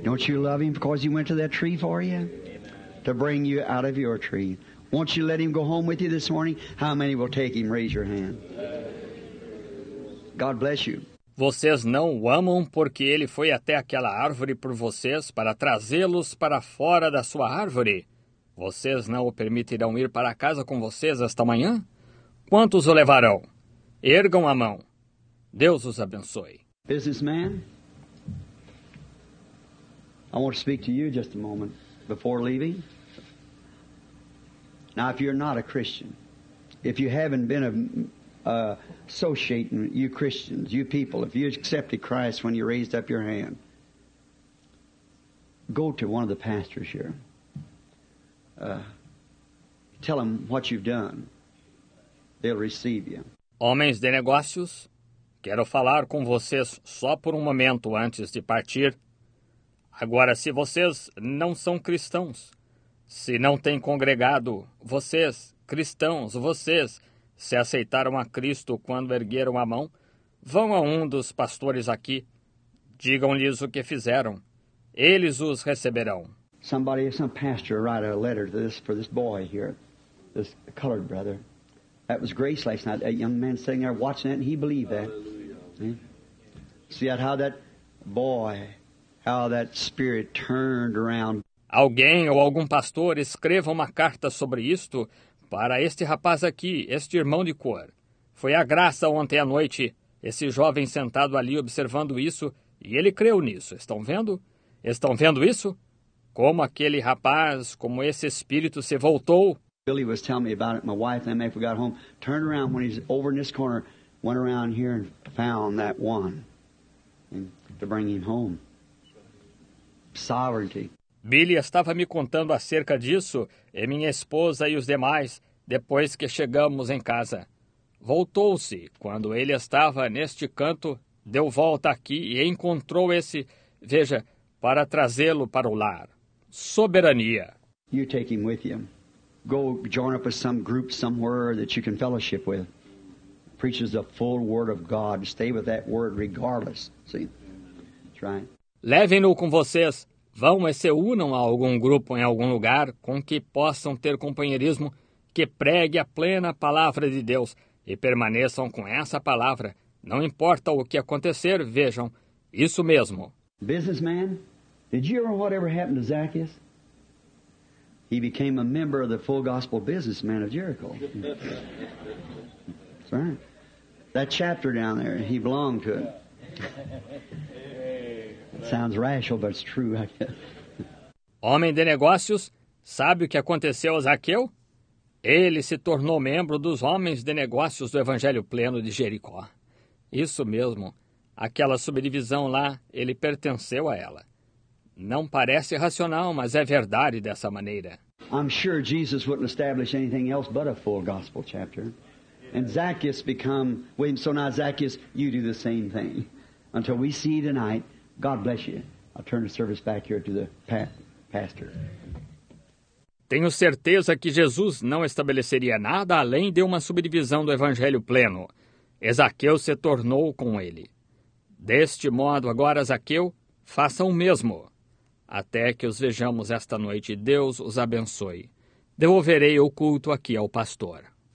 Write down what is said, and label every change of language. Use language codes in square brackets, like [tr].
[en] Don't you love him because he went to that tree for you? To bring you out of your tree. Won't you let him go home with you this morning? How many will take him? Raise your hand. God bless you. [pt] Vocês não o amam porque ele foi até aquela árvore por vocês para trazê-los para fora da sua árvore? Vocês não o permitirão ir para casa com vocês esta manhã? Quantos o levarão? Ergam a mão. Deus os abençoe. [en] Businessman, I want to speak to you just a moment before leaving. Now, if you're not a Christian, if you haven't been associating you Christians, you people, if you accepted Christ when you raised up your hand, go to one of the pastors here. Tell them what you've done. They'll receive you. [pt] Homens de negócios, quero falar com vocês só por um momento antes de partir. Agora, se vocês não são cristãos, se não têm congregado, vocês, cristãos, vocês... Se aceitaram a Cristo quando ergueram a mão, vão a um dos pastores aqui. Digam-lhes o que fizeram. Eles os receberão. [en] Somebody, some pastor, write a letter to this, for this boy here, this colored brother. That was grace last night. That young man sitting there watching it, and he believed that. See how that boy, how that spirit turned around. [pt] Alguém ou algum pastor escreva uma carta sobre isto, para este rapaz aqui, este irmão de cor. Foi a graça ontem à noite, esse jovem sentado ali observando isso, e ele creu nisso. Estão vendo? Estão vendo isso? Como aquele rapaz, como esse espírito se voltou? [en] Billy was telling me about it. My wife and I got home, turned around when he's over in this corner, went around here and found that one to bring him home. Sovereignty. [pt] Billy estava me contando acerca disso, e minha esposa e os demais, depois que chegamos em casa. Voltou-se, quando ele estava neste canto, deu volta aqui e encontrou esse, veja, para trazê-lo para o lar. Soberania. [en] You take him with you. Go join up with some group somewhere that you can fellowship with. Preaches the full word of God. Stay with that word regardless. See? That's right. [pt] Levem-no com vocês. Vão e se unam a algum grupo em algum lugar com que possam ter companheirismo, que pregue a plena palavra de Deus e permaneçam com essa palavra. Não importa o que acontecer, vejam, isso mesmo. [en] Businessman, did you ever whatever happened to Zacchaeus? He became a member of the full gospel businessman of Jericho. That's right. That chapter down there, he belonged to it. Sounds rational, but it's true. [pt] Homem de negócios, sabe o que aconteceu a Zaqueu? Ele se tornou membro dos homens de negócios do Evangelho Pleno de Jericó. Isso mesmo, aquela subdivisão lá, ele pertenceu a ela. Não parece racional, mas é verdade dessa maneira. [en] I'm sure Jesus wouldn't establish anything else but a full gospel chapter. And Zacchaeus become, William, so now Zacchaeus, you do the same thing. Until we see you tonight. God bless you. I'll turn the service back here to the pastor. [pt] Tenho certeza que Jesus não estabeleceria nada além de uma subdivisão do Evangelho pleno. Zaqueu se tornou com ele. Deste modo, agora, Zaqueu, faça o mesmo. Até que os vejamos esta noite, Deus os abençoe. Devolverei o culto aqui ao pastor.